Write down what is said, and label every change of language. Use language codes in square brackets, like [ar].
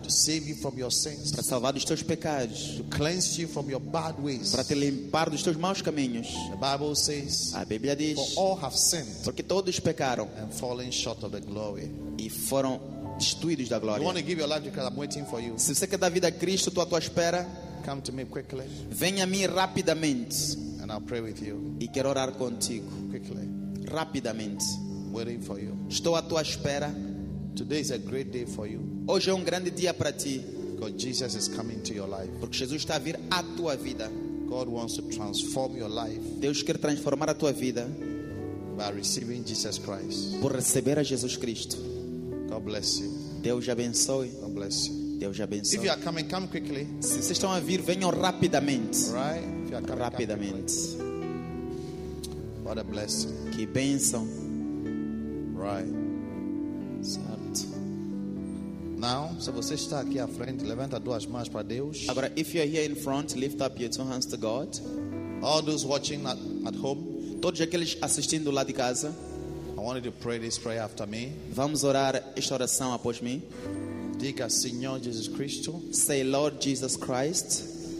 [en] To save you from your sins. [pt] Para salvar dos teus pecados. [en] To cleanse you from your bad ways. [pt] Para te limpar dos teus maus caminhos. [en] The Bible says. [pt] A Bíblia diz. [en] For all have sinned. [pt] Porque todos pecaram. [en] And fallen short of the glory. [pt] E foram destruídos da glória. [en] You want to give your life to Christ? I'm waiting for you. [pt] Se você quer dar vida a Cristo, estou à tua espera. [en] Come to me quickly. [pt] Venha a mim rapidamente. [en] And I'll pray with you. [pt] E quero orar contigo. [en] Quickly. [pt] Rapidamente. [en] Waiting for you. [pt] Estou à tua espera. [en] Today is a great day for you. [pt] Hoje é um grande dia para ti. [en] Because Jesus is coming to your life. [pt] Porque Jesus está a vir à tua vida. [en] God wants to transform your life. [pt] Deus quer transformar a tua vida. [en] By receiving Jesus Christ. [pt] Por receber a Jesus Cristo. [en] God bless you. [pt] Deus abençoe. [en] God bless you. [pt] Deus abençoe. [en] If you are coming, come quickly. [pt] Se vocês estão a vir, venham rapidamente. [en] Right? If you are coming, [pt] rapidamente. [en] What a blessing. [pt] Que bênção. [en] Right. [pt] Certo. Now, se você está aqui à frente, levanta duas mãos para Deus. [en] Agora, if you are here in front, lift up your two hands to God. All those watching at home, [pt] todos aqueles assistindo lá de casa, [en] I wanted to pray this prayer after me. [pt] Vamos orar esta oração após mim. Diga, Senhor Jesus Cristo. [en] Say, Lord Jesus Christ.